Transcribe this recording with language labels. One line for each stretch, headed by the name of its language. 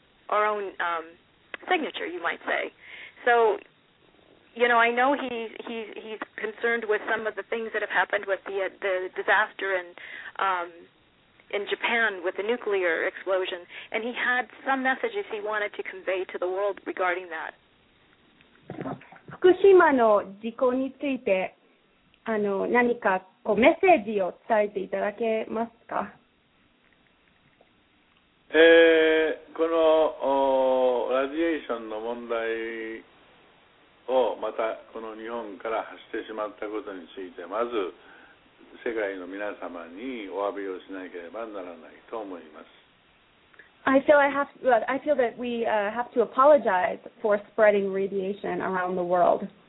English: our own signature, you might say. So, you know, I know he's concerned with some of the things that have happened with the disaster in Japan with the nuclear explosion, and he had some messages he wanted to convey to the world regarding that.
Japanese: 福島の事故について あの、何かこうメッセージを伝えていただけますか? このラジエーションの問題をまたこの日本から発してしまったことについてまず世界の皆様にお詫びをしなければならないと思います。
English: I feel that we have to apologize for spreading radiation around the world.